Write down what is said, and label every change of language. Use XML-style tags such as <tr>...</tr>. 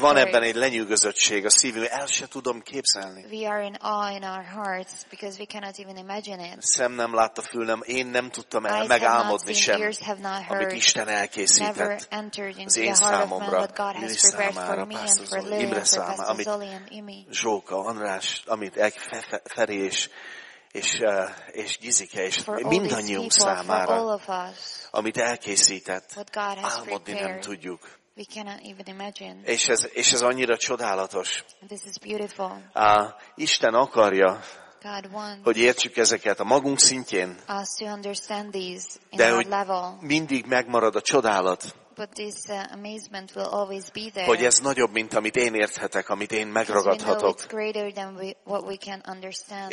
<hu>van ebben egy lenyűgözöttség a szívünk, el se tudom képzelni.</hu> <en>We are in awe in our hearts because we cannot even imagine it.</en> <hu>Szem nem látta, fül nem, én nem tudtam el megálmodni sem, amit Isten elkészített.</hu> <en>Never entered into</en> <hu>az én</hu> <en>the heart</en> <hu>számomra,</hu> <en>of man, what God has prepared for me and for Lily,</en> <hu>Imre számára, amit Zsóka, András, amit Feri és Gizike, és mindannyiunk</hu> <en>people,</en> <hu>számára,</hu> <en>us,</en> <hu>amit elkészített, álmodni</hu> <en>prepared.</en> <hu>Nem tudjuk.</hu> <en>We cannot even imagine.</en> <hu>És ez annyira csodálatos.</hu> <en>This is beautiful.</en> <hu>Isten akarja,</hu> <en>God wants,</en> <hu>hogy értsük ezeket a magunk szintjén,</hu> <en>us to understand these in</en> <hu>de</hu> <en>our</en> <hu>hogy</hu> <en>level.</en> <hu>Mindig megmarad a csodálat.</hu> <en>But this amazement will always be there.</en> <hu>Hogy ez nagyobb, mint amit én érthetek, amit én megragadhatok.</hu> <en>We know it's greater than what we can understand.</en>